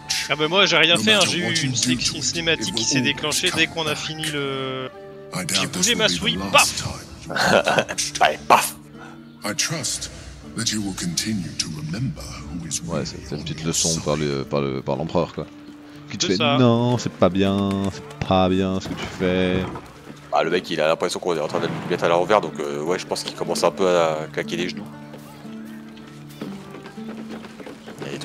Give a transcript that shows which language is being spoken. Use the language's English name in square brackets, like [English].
[French] Ah bah moi j'ai rien fait, hein, j'ai eu une cinématique qui s'est déclenchée dès qu'on a fini le... J'ai bougé ma souris, paf. Allez, paf. [English] I trust that you will continue to remember who is really. [French] Ouais, c'est une petite leçon par l'empereur, quoi. Qui te fait ça. Non, c'est pas bien ce que tu fais. Bah, le mec il a l'impression qu'on est en train de lui mettre à l'envers, donc ouais, je pense qu'il commence un peu à claquer les genoux. Et